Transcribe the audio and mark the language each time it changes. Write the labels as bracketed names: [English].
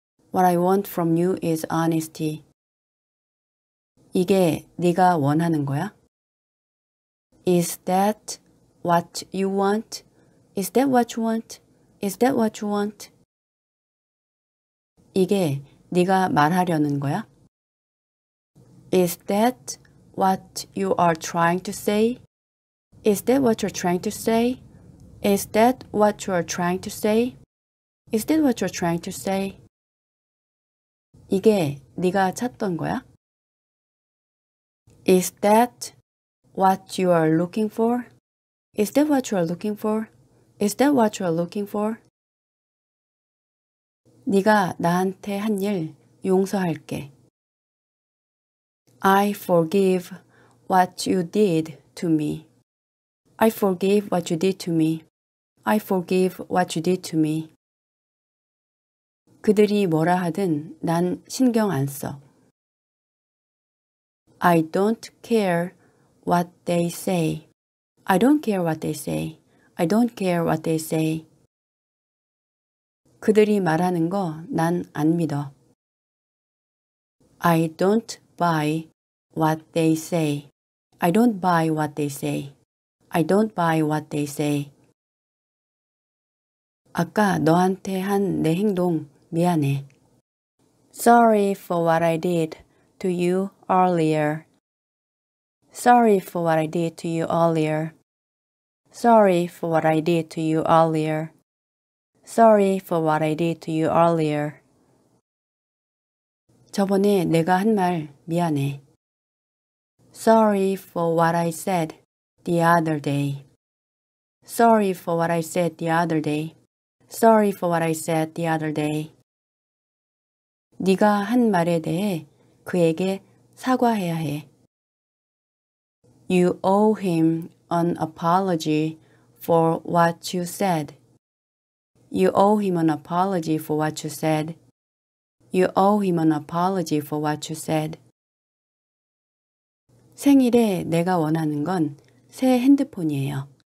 [English] What I want from you is honesty. [Korean] 이게 네가 원하는 거야? [English] Is that what you want? Is that what you want? Is that what you want? [Korean] 이게 네가 말하려는 거야? [English] Is that what you are trying to say? Is that what you're trying to say? Is that what you're trying to say? Is that what you're trying to say? [Korean] 이게 네가 찾던 거야? [English] Is that what you are looking for? Is that what you are looking for? Is that what you are looking for? [Korean] 네가 나한테 한 일 용서할게. [English] I forgive what you did to me. I forgive what you did to me. I forgive what you did to me. [Korean] 그들이 뭐라 하든 난 신경 안 써. [English] I don't care what they say. I don't care what they say. I don't care what they say. [Korean] 그들이 말하는 거 난 안 믿어. [English] I don't buy what they say. I don't buy what they say. I don't buy what they say. [Korean] 아까 너한테 한 내 행동 미안해. [English] Sorry for what I did to you earlier. Sorry for what I did to you earlier. Sorry for what I did to you earlier. Sorry for what I did to you earlier. [Korean] 저번에 내가 한 말 미안해. [English] Sorry for what I said the other day. Sorry for what I said the other day. Sorry for what I said the other day. [Korean] 네가 한 말에 대해 그에게 사과해야 해. [English] You owe him an apology for what you said. You owe him an apology for what you said. You owe him an apology for what you said. [Korean] 생일에 내가 원하는 건 새 핸드폰이에요.